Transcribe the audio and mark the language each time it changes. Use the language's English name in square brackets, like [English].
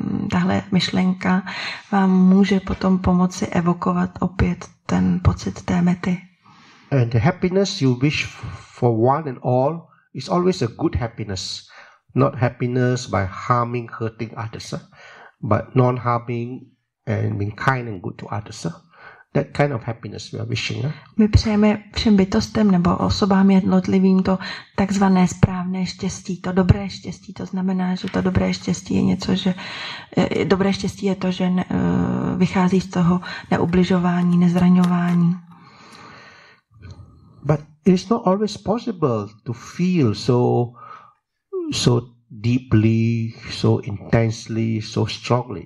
[Czech] Tahle myšlenka vám může potom pomoci evokovat opět ten pocit té mety. [English] And the happiness you wish for one and all is always a good happiness. Not happiness by harming, hurting others, but non-harming and being kind and good to others. That kind of happiness we are wishing. [Czech] My přejeme všem bytostem nebo osobám jednotlivým to takzvané správné štěstí, to dobré štěstí. To znamená, že to dobré štěstí je něco, že dobré štěstí je to, že vychází z toho neubližování, nezraňování. [English] But it is not always possible to feel so deeply, so intensely, so strongly.